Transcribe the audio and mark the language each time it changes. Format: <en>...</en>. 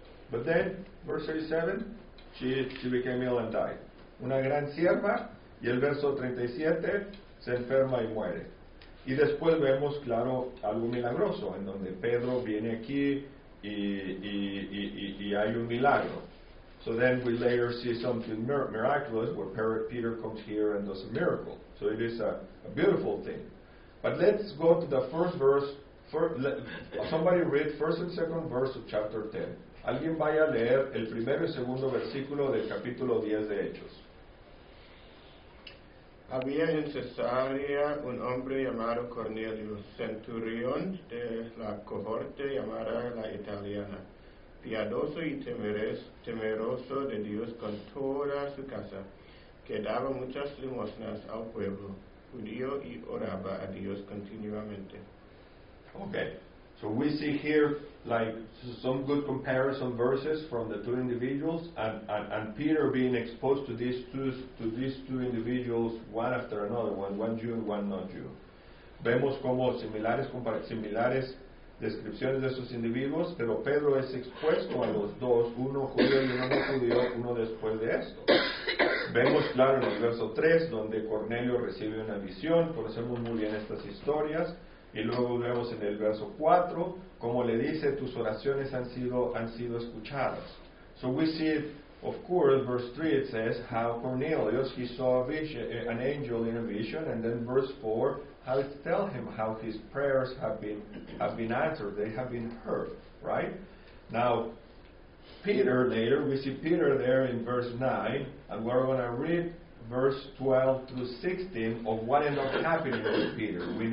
<en>But then, verse 37, she became ill and died.</en> <es>Una gran sierva. Y el verso 37, se enferma y muere. Y después vemos, claro, algo milagroso, en donde Pedro viene aquí y hay un milagro.</es> <en>So then we later see something miraculous, where Peter comes here and does a miracle. So it is a beautiful thing. But let's go to the first verse. Somebody read first and second verse of chapter 10.</en> <es>Alguien vaya a leer el primero y segundo versículo del capítulo 10 de Hechos. Había en Cesarea un hombre llamado Cornelius, centurión de la cohorte llamada la italiana, piadoso y temeroso de Dios con toda su casa, que daba muchas limosnas al pueblo judío y oraba a Dios continuamente.</es> <en>Okay, so we see here like some good comparison verses from the two individuals, and Peter being exposed to these two individuals one after another, one Jew and one non-Jew.</en> <es>vemos como similares descripciones de esos individuos, pero Pedro es expuesto a los dos, uno judío y uno no judío, uno después de esto. Vemos claro en el verso 3, donde Cornelio recibe una visión, conocemos muy bien estas historias, y luego vemos en el verso 4, como le dice, tus oraciones han sido escuchadas.</es> <en>So we see, of course, verse 3, it says, how Cornelius, he saw a vision, an angel in a vision, and then verse 4, how it tell him how his prayers have been answered, they have been heard, right? Now, Peter later, we see Peter there in verse 9, and we're going to read verse 12 through 16 of what ended up happening to Peter.</en>